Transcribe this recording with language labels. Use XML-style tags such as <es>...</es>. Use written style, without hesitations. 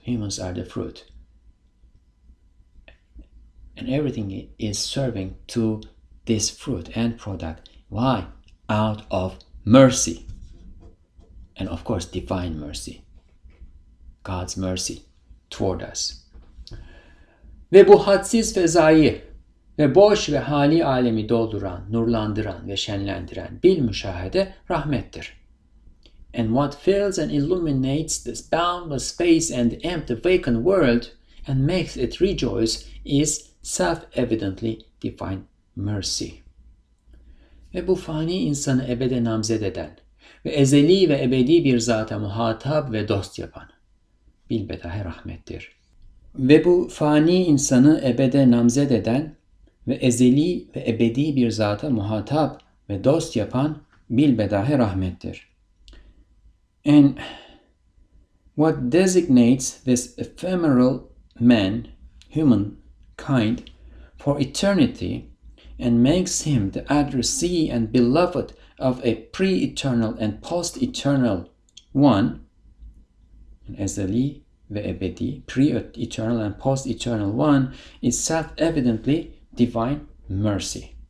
<en>Humans are the fruit. And everything is serving to this fruit and product. Why? Out of mercy. And of course, divine mercy. God's mercy toward us.</en> <tr>Ve bu hadsiz fezayı ve boş ve hali alemi dolduran, nurlandıran ve şenlendiren bil müşahede rahmettir.</tr> <en>And what fills and illuminates this boundless space and the empty vacant world and makes it rejoice is self-evidently divine mercy.</en> <tr>Ve bu fani insanı ebede namzet eden ve ezeli ve ebedi bir zata muhatap ve dost yapan bilbedahe rahmettir. Ve bu fani insanı ebede namzet eden ve ezeli ve ebedi bir zata muhatap ve dost yapan bilbedahe rahmettir.</tr> <en>And what designates this ephemeral man, humankind, for eternity and makes him the addressee and beloved of a pre-eternal and post-eternal one,</en> <tr>ezeli ve ebedi,</tr> <en>pre-eternal and post-eternal one, is self-evidently divine mercy.</en>